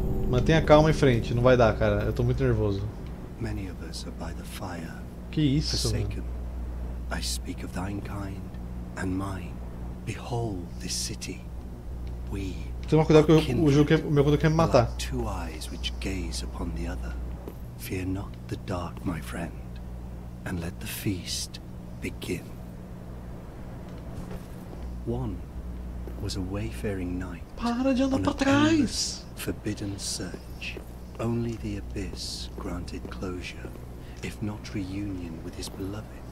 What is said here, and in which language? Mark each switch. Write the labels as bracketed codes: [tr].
[pt] Mantenha a calma em frente, não vai dar, cara. Eu tô muito nervoso. [en] Many of us are by the fire. [pt] Que isso, mano? [en] I speak of thine kind and mine. Behold this city. We. [pt] Toma cuidado que o jogo quer, o meu computador quer me matar. [en] Two eyes which gaze upon the other. Fear not the dark, my friend, and let the feast begin. One was a wayfaring knight. [pt] Para de andar para trás. [en] Forbidden search. Only the abyss granted closure, if not reunion with his beloved.